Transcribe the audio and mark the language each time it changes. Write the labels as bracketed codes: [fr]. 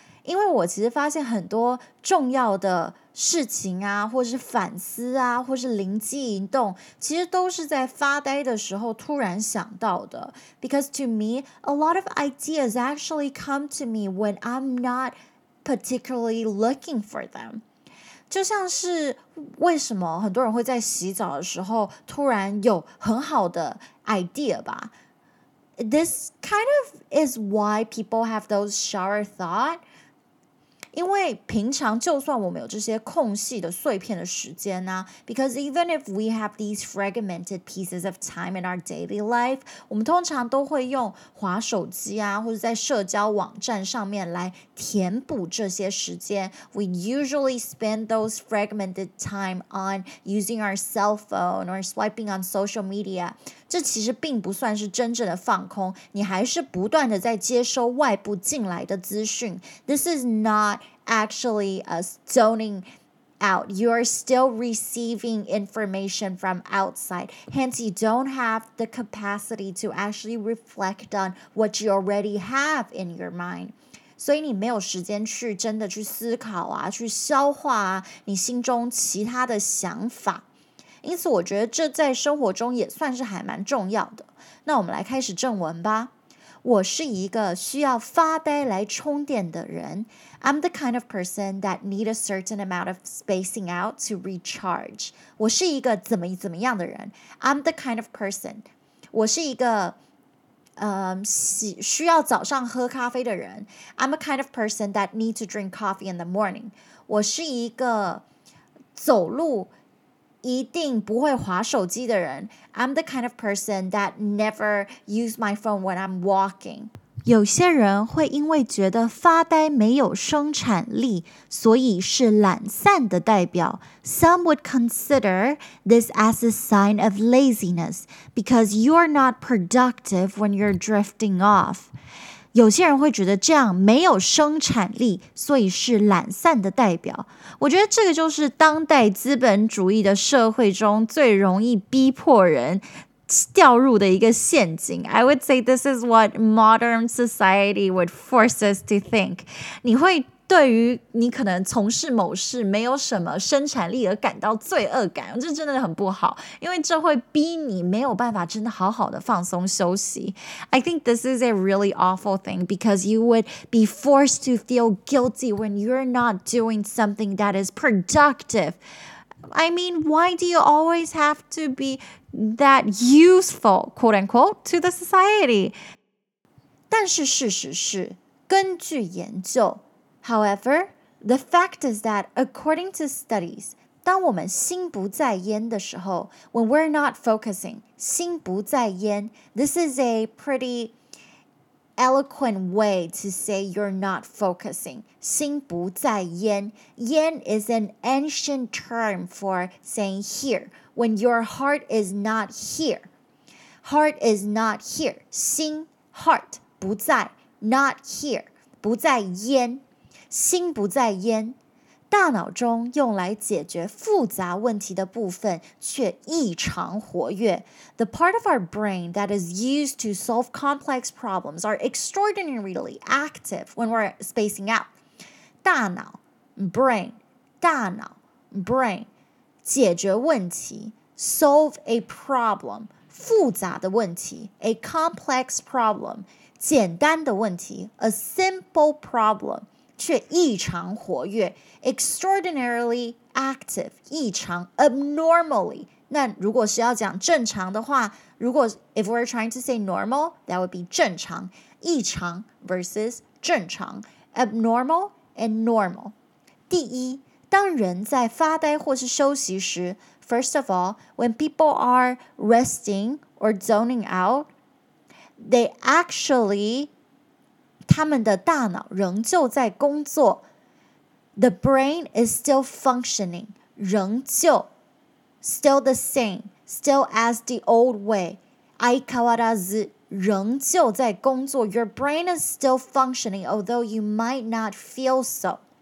[zh] 因为我其实发现很多重要的事情啊，或是反思啊，或是灵机一动，其实都是在发呆的时候突然想到的。 [en] Because to me, a lot of ideas actually come to me when I'm not particularly looking for them. [zh] 就像是为什么很多人会在洗澡的时候突然有很好的 idea 吧。 [en] This kind of is why people have those shower thought. [zh] 因为平常就算我们有这些空隙的碎片的时间啊 [en] because even if we have these fragmented pieces of time in our daily life, [zh] 我们通常都会用滑手机啊或者在社交网站上面来填补这些时间。 [en] We usually spend those fragmented time on using our cell phone or swiping on social media. [zh] 这其实并不算是真正的放空，你还是不断的在接收外部进来的资讯。 [en] This is not actually a zoning out. You are still receiving information from outside. Hence, you don't have the capacity to actually reflect on what you already have in your mind. [zh] 所以你没有时间去真的去思考啊，去消化啊，你心中其他的想法。因此我觉得这在生活中也算是还蛮重要的。那我们来开始正文吧。我是一个需要发呆来充电的人。 [en] I'm the kind of person that need a certain amount of spacing out to recharge. [zh] 我是一个怎么怎么样的人。 [en] I'm the kind of person. [zh] 我是一个需要早上喝咖啡的人。 [en] I'm a kind of person that need to drink coffee in the morning. [zh] 我是一个走路一定不会滑手机的人。 [en] I'm the kind of person that never use my phone when I'm walking. [zh] 有些人会因为觉得发呆没有生产力，所以是懒散的代表。 [en] Some would consider this as a sign of laziness because you're not productive when you're drifting off. [zh] 有些人会觉得这样没有生产力，所以是懒散的代表。我觉得这个就是当代资本主义的社会中最容易逼迫人掉入的一个陷阱。 [en] I would say this is what modern society would force us to think. [zh] 你会对于你可能从事某事没有什么生产力而感到罪恶感，这真的很不好，因为这会逼你没有办法真的好好的放松休息。 [en] I think this is a really awful thing because you would be forced to feel guilty when you're not doing something that is productive. I mean, why do you always have to be that useful, quote unquote, to the society? [zh] 但是事实是，根据研究， [en] However, the fact is that, according to studies, [zh] 当我们心不在焉的时候, [en] when we're not focusing, 心不在焉, this is a pretty eloquent way to say you're not focusing. 心不在焉, 焉 is an ancient term for saying here, when your heart is not here. Heart is not here. 心, heart, 不在, not here, 不在焉。 [zh] 心不在焉，大脑中用来解决复杂问题的部分却异常活跃。 [en] The part of our brain that is used to solve complex problems are extraordinarily active when we're spacing out. 大脑 brain, 大脑 brain, 解决问题 solve a problem, [zh] 复杂的问题 [en] a complex problem, [zh] 简单的问题 [en] a simple problem, [zh] 却异常活跃 [en] extraordinarily active, 异常 abnormally. [zh] 那如果是要讲正常的话，如果 [en] if we're trying to say normal, that would be 正常，异常 versus 正常 abnormal and normal. [zh] 第一，当人在发呆或是休息时 [en] first of all, when people are resting or zoning out, they actually... [zh] 他们的大脑仍旧在工作。 [en] The brain is still functioning, 仍旧。 Still the same, still as the old way. [ja] 相変わらず [zh] 仍旧在工作。 [en] Your brain is still functioning, although you might not feel so.